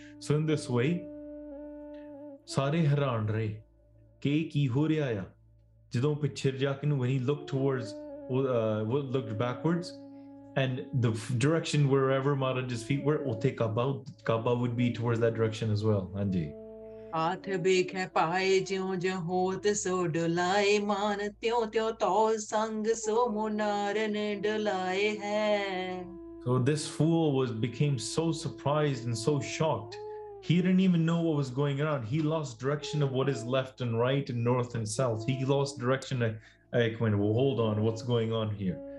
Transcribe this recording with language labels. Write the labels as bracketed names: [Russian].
[English] So in this way, [Punjabi] sare hairan rahe ke ki ho riha ya. Jadon pichhe ja ke [English] when he looked towards, looked backwards, And the direction wherever Maharaj's feet were, [Punjabi] Ote Kaba, [English] Kaba would be towards that direction as well. [Punjabi] Anji. ਹੱਥ ਬੇਖੇ ਪਾਏ ਜਿਉ ਜਿਉ ਹੋਤ ਸੋ ਡੁਲਾਏ ਮਾਨ ਤਿਉ ਤਿਉ ਤੋ ਸੰਗ ਸੋ ਮੁਨਾਰਨ ਡੁਲਾਏ ਹੈ. [English] So this fool became so surprised and so shocked. He didn't even know what was going on. He lost direction of what is left and right and north and south. He lost direction of hold on, what's going on here?